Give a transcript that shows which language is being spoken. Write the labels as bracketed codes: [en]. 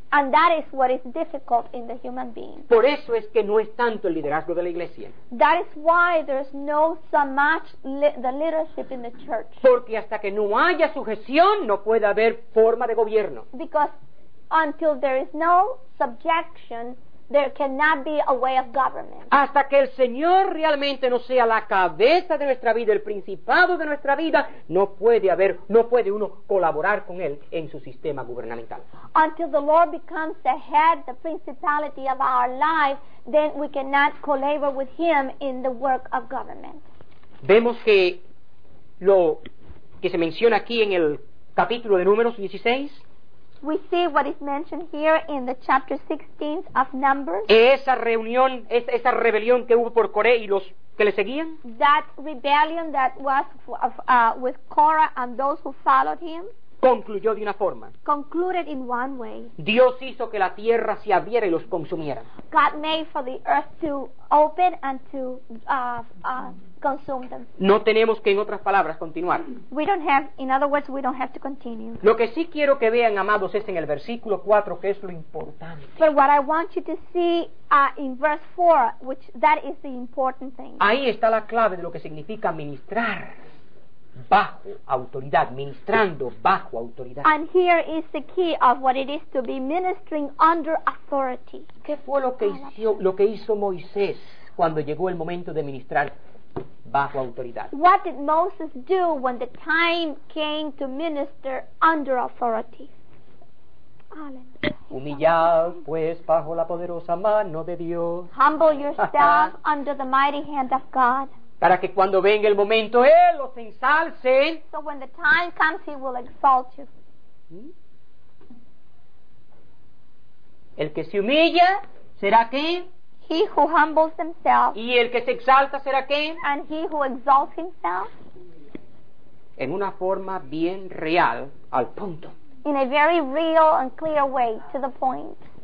[en] And that is what is difficult in the human being. [es] Por eso es que no es tanto el liderazgo de la iglesia. [en] That is why there's no so much the leadership in the church. [es] Porque hasta que no haya sujeción no puede haber forma de gobierno. [en] Because until there is no subjection there cannot be a way of government. [es] Hasta que el Señor realmente no sea la cabeza de nuestra vida, el principado de nuestra vida, no puede uno colaborar con él en su sistema gubernamental. [en] Until the Lord becomes the head, the principality of our life, then we cannot collaborate with him in the work of government. [es] Vemos que lo que se menciona aquí en el capítulo de Números 16, [en] we see what is mentioned here in the chapter 16 of Numbers. [es] Esa reunión, esa rebelión que hubo por Coré y los que le seguían. [en] That rebellion that was with Korah and those who followed him. [es] Concluyó de una forma. [en] Concluded in one way. [es] Dios hizo que la tierra se abriera y los consumiera. [en] God made for the earth to open and to consume them. [es] No tenemos que, en otras palabras, continuar. [en] We don't have, in other words, we don't have to continue. [es] Lo que sí quiero que vean, amados, es en el versículo 4, que es lo importante. [en] But what I want you to see in verse 4, which that is the important thing. [es] Ahí está la clave de lo que significa ministrar bajo autoridad, ministrando bajo autoridad. [en] And here is the key of what it is to be ministering under authority. [es] ¿Qué fue lo que hizo Moisés cuando llegó el momento de ministrar bajo autoridad? [en] What did Moses do when the time came to minister under authority? [es] Humillad pues bajo la poderosa mano de Dios. [en] Humble yourself under the mighty hand of God. [es] Para que cuando venga el momento, Él los ensalce. [en] So when the time comes, He will exalt you. [es] El que se humilla, ¿será qué? [en] He who humbles himself. [es] ¿Y el que se exalta, será qué? [en] And he who exalts himself. [es] En una forma bien real, al punto. [en] In a very real and clear way, to the point.